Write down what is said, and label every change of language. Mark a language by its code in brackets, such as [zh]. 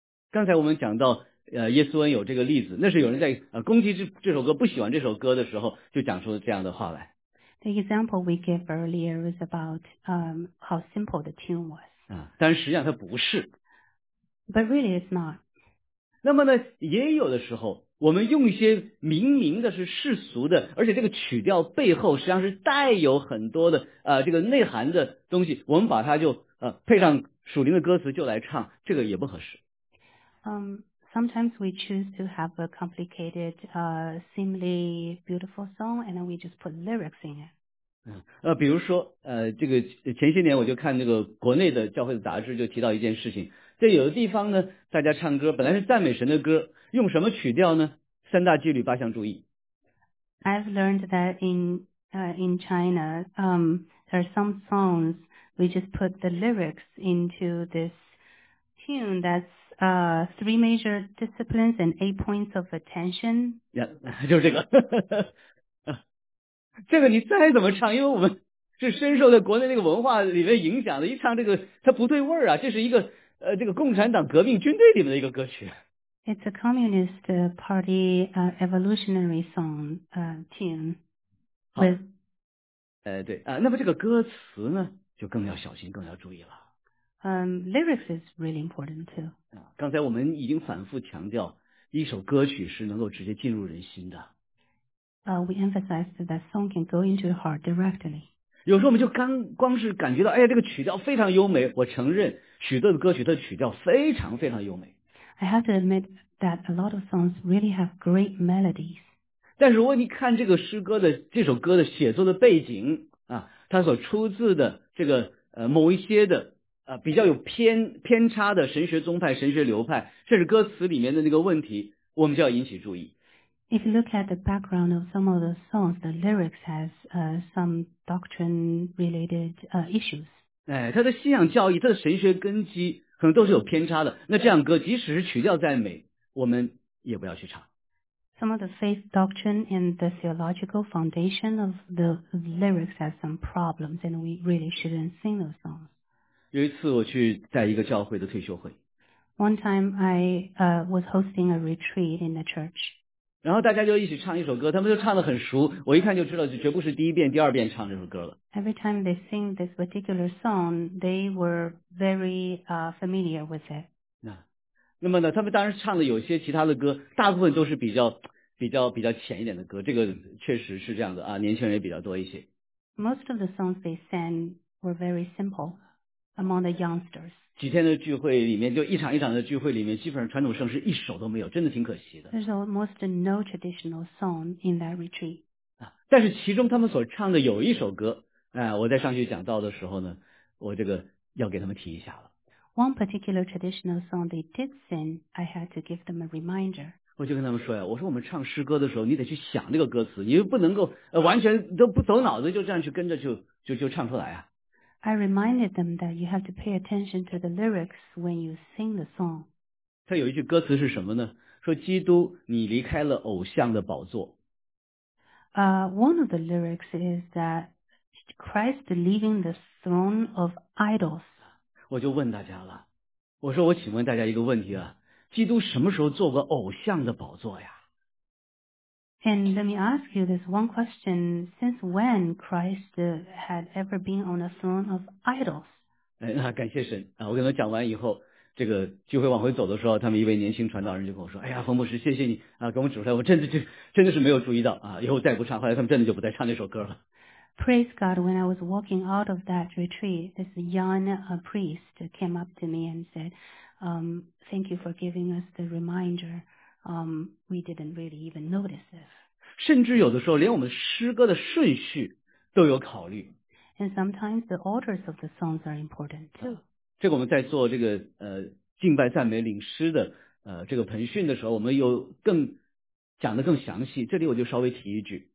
[zh] 刚才我们讲到耶稣恩友这个例子，那是有人在攻击这首歌，不喜欢这首歌的时候，就讲出这样的话来。 [en] The example we gave earlier was about how simple the tune was. [zh] 但实际上它不是。 [en] But really it's not. [zh] 那么呢，也有的时候我们用一些明明的是世俗的，而且这个曲调背后实际上是带有很多的这个内涵的东西，我们把它就配上属灵的歌词就来唱，这个也不合适。 [en] Sometimes we choose to have a complicated, seemingly beautiful song, and then we just put lyrics in it. [zh] 比如说，这个前些年我就看那个国内的教会的杂志，就提到一件事情，在有的地方呢，大家唱歌本来是赞美神的歌，用什么曲调呢？三大纪律八项注意。 [en] I've learned that in China, there are some songs we just put the lyrics into this tune that's three major disciplines and eight points of attention. [zh] Yeah, 就是这个。这个你再怎么唱，因为我们是深受在国内那个文化里面影响的，一唱这个它不对味儿啊，这是一个这个共产党革命军队里面的一个歌曲。 [en] It's a communist party evolutionary song tune. [zh] 好。对啊，那么这个歌词呢，就更要小心，更要注意了。 [en] Lyrics is really important too. [zh] 刚才我们已经反复强调，一首歌曲是能够直接进入人心的。 [en] We emphasized that song can go into your heart directly. [zh] 有时候我们就光是感觉到，哎呀，这个曲调非常优美。我承认，许多的歌曲的曲调非常非常优美。 [en] I have to admit that a lot of songs really have great melodies. [zh] 但是如果你看这个诗歌的这首歌的写作的背景啊，它所出自的这个某一些的。比较有偏差的神学宗派、神学流派，甚至歌词里面的那个问题，我们就要引起注意。 [en] If you look at the background of some of the songs, the lyrics has some doctrine-related issues. [zh] 它的信仰教义、它的神学根基可能都是有偏差的。那这样歌，即使是曲调再美，我们也不要去唱。 [en] Some of the faith doctrine and the theological foundation of the lyrics has some problems, and we really shouldn't sing those songs. [zh] 有一次我去在一个教会的退休会。 [en] One time I was hosting a retreat in the church. [zh] 然后大家就一起唱一首歌，他们就唱得很熟，我一看就知道就绝不是第一遍、第二遍唱这首歌了。 [en] Every time they sing this particular song, they were very familiar with it. [zh] 那么呢，他们当时唱的有些其他的歌，大部分都是比较浅一点的歌，这个确实是这样的啊，年轻人也比较多一些。 [en] Most of the songs they sang were very simple among the youngsters. [zh] 几天的聚会里面，就一场一场的聚会里面，基本上传统圣诗一首都没有，真的挺可惜的。 [en] There's almost no traditional song in that retreat. [zh] 但是其中他们所唱的有一首歌，我在上去讲到的时候呢，我这个要给他们提一下了。 [en] One particular traditional song they did sing, I had to give them a reminder. [zh] 我就跟他们说呀，我说我们唱诗歌的时候，你得去想这个歌词，你又不能够完全都不走脑子就这样去跟着就唱出来啊。 [en] I reminded them that you have to pay attention to the lyrics when you sing the song. [zh] 他有一句歌词是什么呢？说基督，你离开了偶像的宝座。 [en] One of the lyrics is that Christ leaving the throne of idols. [zh] 我就问大家了，我说我请问大家一个问题啊。基督什么时候坐过偶像的宝座呀？ [en] And let me ask you this one question. Since when Christ had ever been on the throne of idols? [zh] 感谢神啊！我跟他讲完以后，这个聚会往回走的时候，他们一位年轻传道人就跟我说：“哎呀，冯牧师，谢谢你啊，给我们指出来，我真的是没有注意到啊，以后再不唱。” 后来他们真的就不再唱那首歌了。 [en] Praise God, when I was walking out of that retreat, this young priest came up to me and said,thank you for giving us the reminder. We didn't really even notice this. [zh] 甚至有的时候连我们诗歌的顺序都有考虑。 [en] And sometimes the orders of the songs are important too. [zh] 这个我们在做这个敬拜赞美领诗的这个培训的时候，我们有更讲得更详细，这里我就稍微提一句。